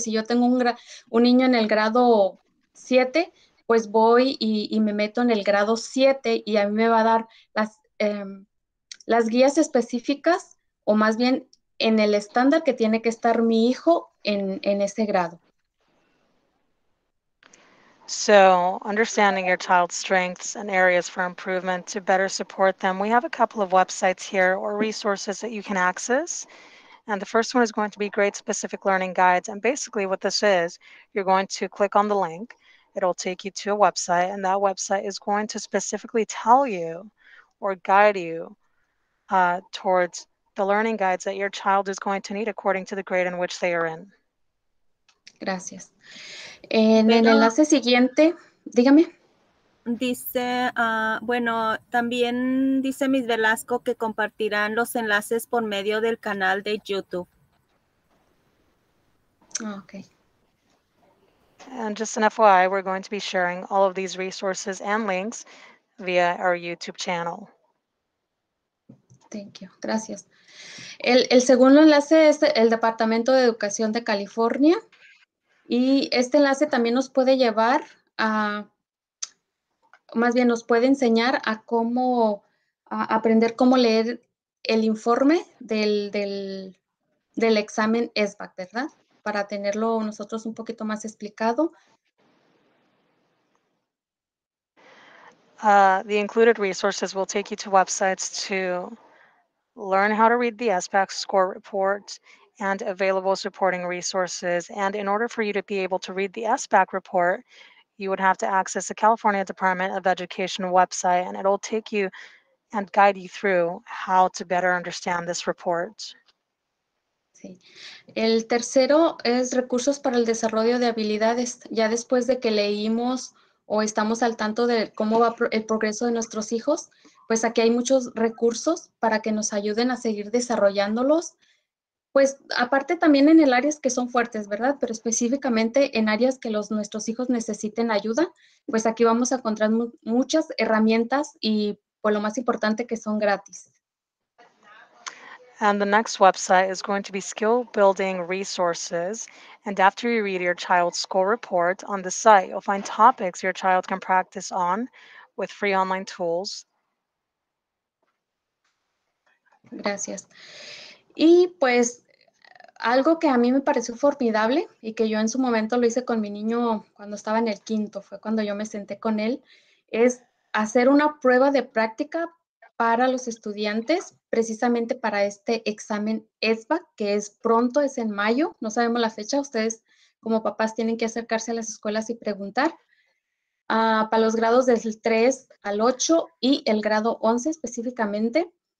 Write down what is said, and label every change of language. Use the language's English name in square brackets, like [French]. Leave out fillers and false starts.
[Spanish] Si yo tengo un niño en el grado 7, pues voy y me meto en el grado 7 y a mí me va a dar las, las guías específicas, o más bien en el estándar que tiene que estar mi hijo en ese grado. [English] So, understanding your child's strengths and areas for improvement to better support them, we have a couple of websites here or resources that you can access. And the first one is going to be Great Specific Learning Guides. And basically what this is, you're going to click on the link. It'll take you to a website, and that website is going to specifically tell you or guide you towards the learning guides that your child is going to need according to the grade in which they are in. [Spanish] Gracias. En el enlace siguiente, dígame. Dice, bueno, también dice Miss Velasco que compartirán los enlaces por medio del canal de YouTube. [English] Okay. And just an FYI, we're going to be sharing all of these resources and links via our YouTube channel. Thank you. [Spanish] Gracias. El segundo enlace es el Departamento de Educación de California. Y este enlace también nos puede llevar a, más bien nos puede enseñar a cómo, a aprender cómo leer el informe del examen ESVAC, ¿verdad? Para tenerlo nosotros un poquito más explicado. [English] The included resources will take you to websites to learn how to read the ESVAC score report and available supporting resources. And in order for you to be able to read the ESVAC report, you would have to access the California Department of Education website, and it'll take you and guide you through how to better understand this report. [Spanish] Sí. El tercero es recursos para el desarrollo de habilidades. Ya después de que leímos o estamos al tanto de cómo va el progreso de nuestros hijos, pues aquí hay muchos recursos para que nos ayuden a seguir desarrollándolos. Pues aparte también en el áreas que son fuertes, ¿verdad? Pero específicamente en áreas que nuestros hijos necesiten ayuda, pues aquí vamos a encontrar muchas herramientas y por lo más importante que son gratis. [English] And the next website is going to be Skill Building Resources. And after you read your child's score report on the site, you'll find topics your child can practice on with free online tools. [Spanish] Gracias. Y pues algo que a mí me pareció formidable y que yo en su momento lo hice con mi niño cuando estaba en el quinto, fue cuando yo me senté con él, es hacer una prueba de práctica para los estudiantes, precisamente para este examen ESVAC, que es pronto, es en mayo, no sabemos la fecha, ustedes como papás tienen que acercarse a las escuelas y preguntar, para los grados del 3 al 8 y el grado 11 específicamente.